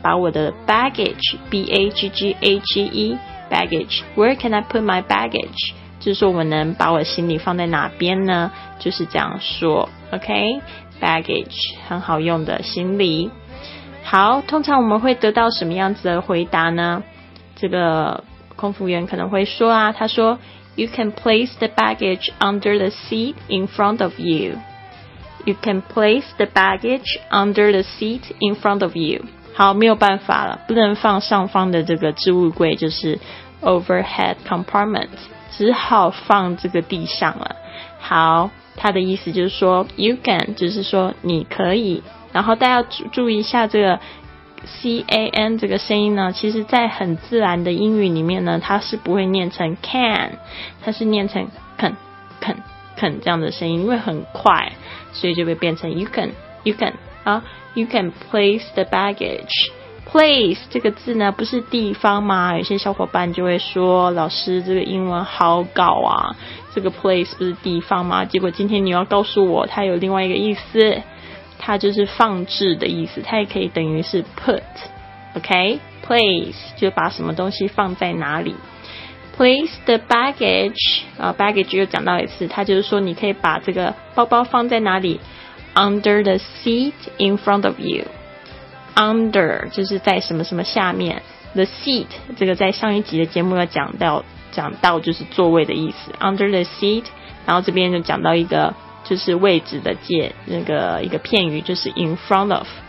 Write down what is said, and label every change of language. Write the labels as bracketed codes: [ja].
[zh] 把我的 [en] baggage， b a g g a g e， baggage， where can I put my baggage？ [zh] 就是说我能把我行李放在哪边呢？就是这样说， OK， baggage 很好用的行李。好，通常我们会得到什么样子的回答呢？这个空服员可能会说啊，他说 [en] ，You can place the baggage under the seat in front of you。 You can place the baggage under the seat in front of you。 [zh] 好，没有办法了，不能放上方的这个置物柜，就是 overhead compartment， 只好放这个地上了。好，他的意思就是说 ， [en] you can [zh] 就是说你可以。然后大家注意一下这个 C A N 这个声音呢，其实在很自然的英语里面呢，它是不会念成 can， 它是念成 can。肯这样的声音，因为很快，所以就会变成 you can 啊 ， [en] you can place the baggage。 [zh] place 这个字呢，不是地方吗？有些小伙伴就会说，老师这个英文好搞啊，这个 place 不是地方吗？结果今天你要告诉我，它有另外一个意思，它就是放置的意思，它也可以等于是 put， OK， place 就把什么东西放在哪里。 [en] Place the baggage， [zh] baggage 又讲到一次，它就是说你可以把这个包包放在哪里 ？ [en] Under the seat in front of you。 [zh] Under 就是在什么什么下面 ， [en] the seat [zh] 这个在上一集的节目有讲到就是座位的意思。 [en] Under the seat， [zh] 然后这边就讲到一个就是位置的介那个一个片语，就是 [en] in front of。